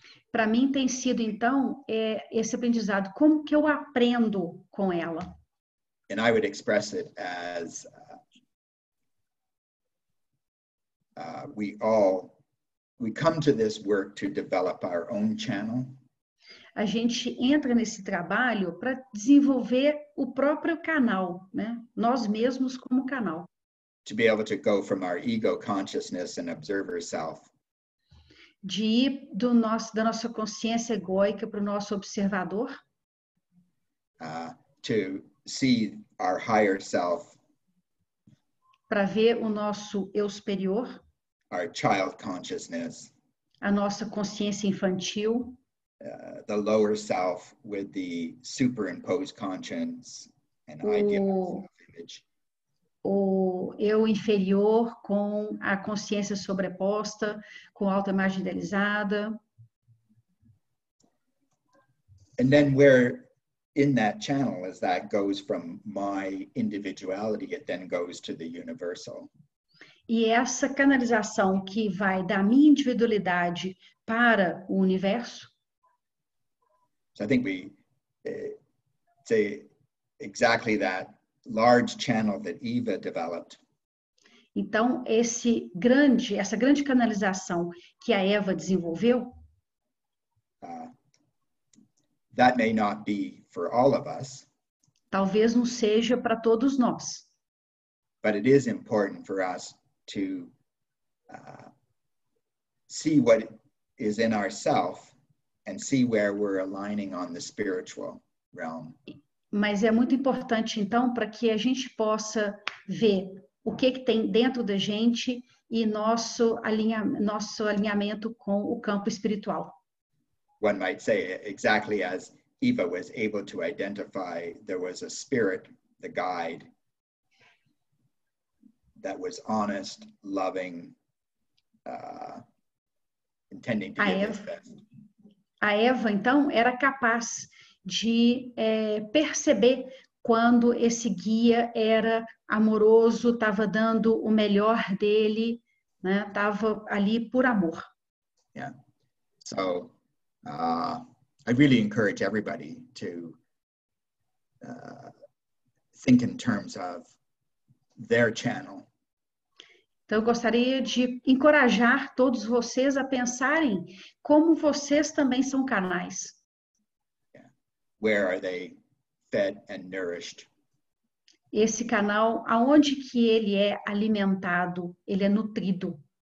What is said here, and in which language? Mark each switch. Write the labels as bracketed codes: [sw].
[pt] Para mim tem sido, então, esse aprendizado. Como que eu aprendo com ela? [en] And I would express it as we come to this work to develop our own channel. [pt] A gente entra nesse trabalho para desenvolver o próprio canal, né? Nós mesmos como canal. [en] to be able to go from our ego consciousness and observer self. [pt] De ir do nosso, da nossa consciência egoica para o nosso observador. [en] To see our higher self. [pt] Para ver o nosso eu superior. [en] Our child consciousness. [pt] A nossa consciência infantil. [en] The lower self with the superimposed conscience and ideal self image. [pt] O eu inferior com a consciência sobreposta, com alta imagem idealizada. [en] And then where in that channel is that goes from my individuality, it then goes to the universal. [pt] E essa canalização que vai da minha individualidade para o universo. [en] So I think we say exactly that large channel that Eva developed. [pt] Então, essa grande canalização que a Eva desenvolveu. [en] That may not be for all of us. [pt] Talvez não seja para todos nós. [en] But it is important for us to see what is in ourself. And see where we're aligning on the spiritual realm. [pt] Mas é muito importante, então, para que a gente possa ver o que, que tem dentro da gente e nosso alinhamento com o campo espiritual. [en] One might say, exactly as Eva was able to identify, there was a spirit, the guide, that was honest, loving, intending to give his best. [pt] A Eva, então, era capaz de perceber quando esse guia era amoroso, estava dando o melhor dele, né? Estava ali por amor. [en] Yeah. So, I really encourage everybody to think in terms of their channel. [pt] Então, eu gostaria de encorajar todos vocês a pensarem como vocês também são canais. [en] Yeah. Where are they fed and nourished? [pt] Esse canal, aonde que ele é alimentado, ele é nutrido?